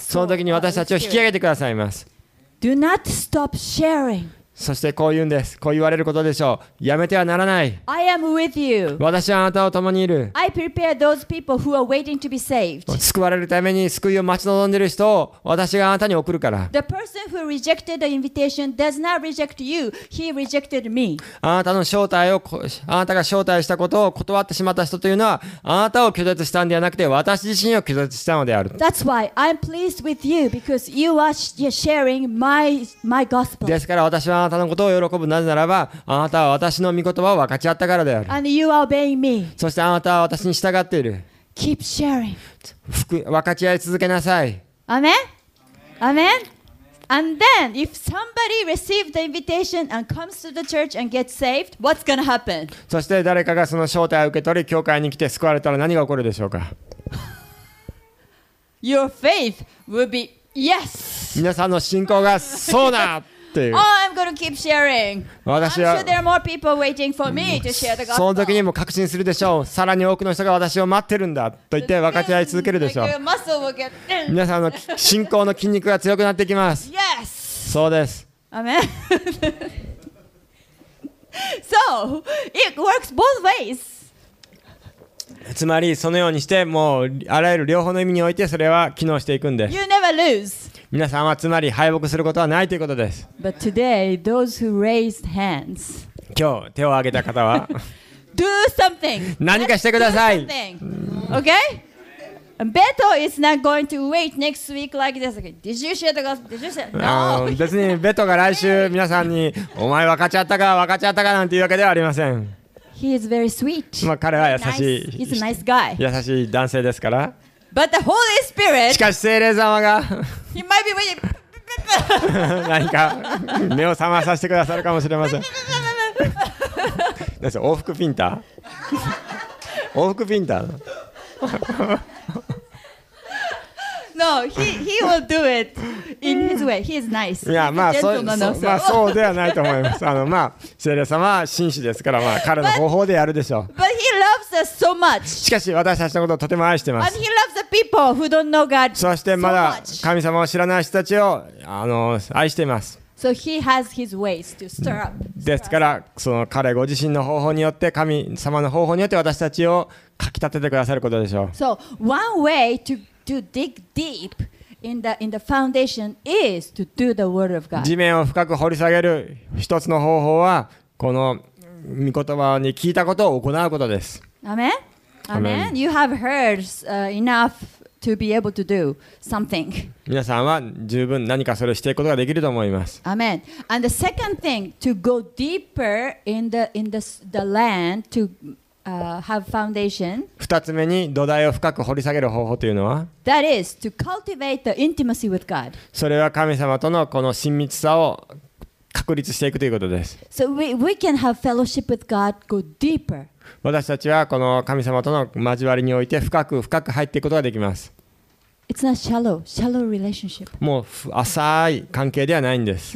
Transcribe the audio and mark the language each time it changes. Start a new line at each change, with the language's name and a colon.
Japanese: その時に私たちを引き上げてくださいます。
English: Do not stop sharing.
Japanese: そしてこう言うんです。こう言われることでしょう。やめてはならない。
English: I am with you.
Japanese: 私はあなたを共にいる。
English: I prepare those people who are waiting to be saved.
Japanese: 救われるために救いを待ち望んでいる人を私があなたに送るから。
English: The person who rejected the invitation does not reject you. He rejected me.
Japanese: あなたが招待したことを断ってしまった人というのは、あなたを拒絶したんではなくて、私自身を拒絶したのである。
English: That's why I'm pleased with you because you are sharing my gospel.
Japanese: ですから私はあなたのことを喜ぶ。なぜならばあなたは私の御言葉を分かち合ったからである。
English: And you are obeying me.
Japanese: そしてあなたは私に従っている。
English: Keep sharing.
Japanese: 分かち合い続けなさい。アメン。アメン。
English: And then, if somebody receives the invitation and comes to the church and gets saved, what's going to happen?
Japanese: そして誰かがその招待を受け取り、教会に来て救われたら何が起こるでしょうか?
English: Your faith will be yes!
Japanese: 皆さんの信仰がそうだ!
English: Oh, I'm gonna keep sharing. I'm sure there are more people waiting for me to share the gospel.
Japanese: その時にも確信するでしょう。さらに多くの人が私を待ってるんだと言って分かち合い続けるでしょう。皆さんの信仰の筋肉が強くなってきます。
English: Yes.
Japanese: そうです。
English: Amen. So it works both ways.
Japanese: つまりそのようにしてもうあらゆる両方の意味においてそれは機能していくんです。
English: You never lose.
Japanese: 皆さんはつまり敗北することはないということです。
English: But today, those who raised hands,
Japanese: 今日手を挙げた方は
English: do something.
Japanese: 何かしてください。
English: Okay? Beto is not going to wait next week like this. Okay. Did you share the gospel? Did you share? No.
Japanese: 別にベトが来週皆さんにお前分かっちゃったか分かっちゃったかなんていうわけではありません。
English: He is very sweet.
Japanese: まあ彼は優しい。
English: Nice. He's a nice guy.
Japanese: 優しい男性ですから。
English: But the Holy Spirit,
Japanese: しかし聖霊様が
English: He might be waiting.
Japanese: 何か目を覚まさせてくださるかもしれません。何ですか往復フィンター 往復フィンター
English: No, he will do it in his way. He is nice.
Japanese: いや、まあ、まあ、そうではないと思います。まあ、聖霊様は紳士ですから、まあ、彼の方法でやるでしょう。
English: But he loves us so much.
Japanese: しかし、私たちのことをとても愛しています。
English: And he loves the people who don't know God so much.
Japanese: そして、まだ神様を知らない人たちを、愛しています。
English: So he has his ways to stir up.
Japanese: ですから、その彼ご自身の方法によって、神様の方法によって私たちをかき立ててくださることでしょう。
English: So, one way to... To dig deep in the foundation is to do the word of God.
Japanese: 地面を深く掘り下げる一つの方法はこの御言葉に聞いたことを行うことです。
English: Amen. Amen. You have heard enough to be able to do something.
Japanese: 皆さんは十分何かそれをしていくことができると思います。
English: Amen. And the second thing to go deeper in the land to. Have foundation.
Japanese: 二つ目に土台を深く掘り下げる方法というのは
English: That is to cultivate the intimacy with God.
Japanese: それは神様とのこの親密さを確立していくということです。
English: So we can have fellowship with God, go deeper.
Japanese: 私たちはこの神様との交わりにおいて深く深く入っていくことができます。
English: It's not shallow relationship.
Japanese: もう浅い関係ではないんです。